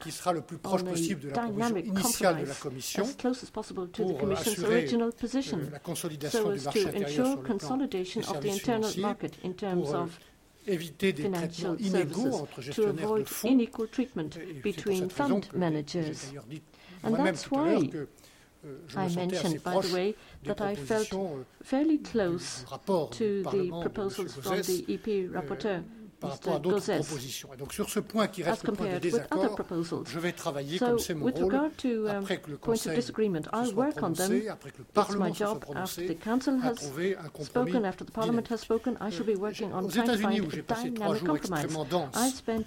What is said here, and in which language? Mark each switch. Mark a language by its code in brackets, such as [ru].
[fr] qui sera le plus proche possible de la position initiale de la Commission pour assurer la consolidation du marché intérieur sur le plan des services financiers, pour éviter des traitements inégaux entre gestionnaires de fonds et pour cette raison que j'ai d'ailleurs dit moi-même tout à l'heure que [en] I mentioned, by the way, that I felt fairly close to the proposals from the EP rapporteur, [fr] par rapport à d'autres propositions. Et donc sur ce point qui reste le point de désaccord, je vais travailler comme c'est mon rôle, après que le Conseil se soit prononcé, après que le Parlement se soit prononcé, à trouver un compromis dynamique. Aux États-Unis, où j'ai passé trois jours extrêmement denses,